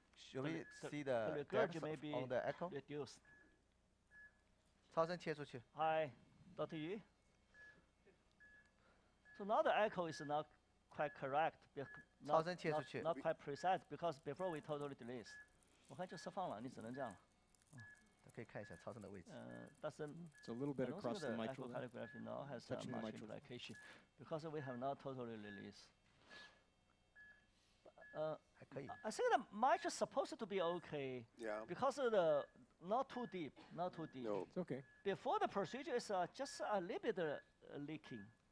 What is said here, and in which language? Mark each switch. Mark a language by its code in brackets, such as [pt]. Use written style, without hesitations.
[en] should we see the leakage on the echo? Reduced. [zh] 超声切出去. [en] Hi, Dr. Yu. So now the echo is not quite correct. [zh] 超声切出去. [en] Not quite precise because before we totally delete. [zh] 我看就释放了，你只能这样了。可以看一下超声的位置. [en] It's a little bit across the mitral. The echocardiography now has a much implication because we have not totally released. I think the mesh is supposed to be okay. Yeah. Because of the not too deep. No. It's okay. Before the procedure, it's just a little bit leaking.